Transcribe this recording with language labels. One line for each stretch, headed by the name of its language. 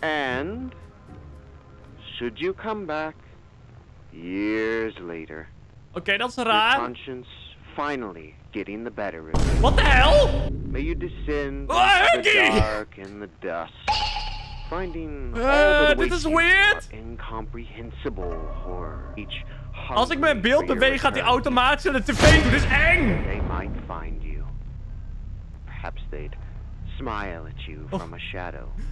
English: And should you come back years later? Okay, that's raar. Your conscience finally getting the better of you. What the hell? May you descend the dark and the dust, finding all the this is weird. Incomprehensible horror. Each
Dutch: als ik mijn beeld beweeg, gaat hij automatisch naar de tv. Dit is eng.
English: They might find you. Perhaps they'd smile at you from a shadow.